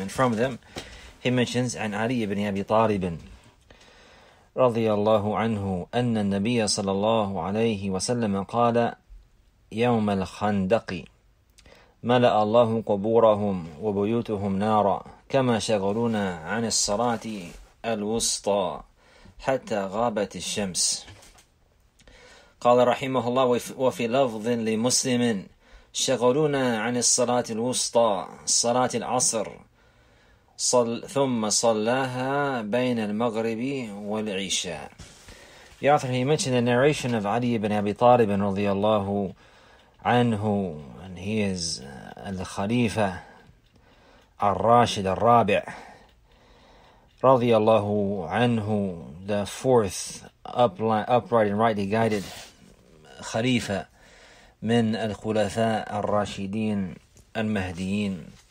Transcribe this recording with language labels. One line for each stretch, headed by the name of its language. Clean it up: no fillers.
English: And from them, he mentions,
Arabic: an Ali ibn Abi Talibin, radiyallahu anhu, anna nabiyya sallallahu alayhi wa sallam, qala, يوم الخندق ملأ الله قبورهم وبيوتهم نارا كما شغلونا عن الصلاة الوسطى حتى غابت الشمس. قال رحمه الله وفي لفظ لمسلم شغلونا عن الصلاة الوسطى صلاة العصر ثم صلاها بين المغرب والعشاء.
English: The author, he mentioned the narration of Ali ibn Abi Talib radiyallahu anhu, and he is al-Khalifa al-Rashid al-Rabi' radiyallahu anhu, the fourth upright and rightly guided Khalifa
Arabic: min al-Khulafa al-Rashidin al-Mahdiyin.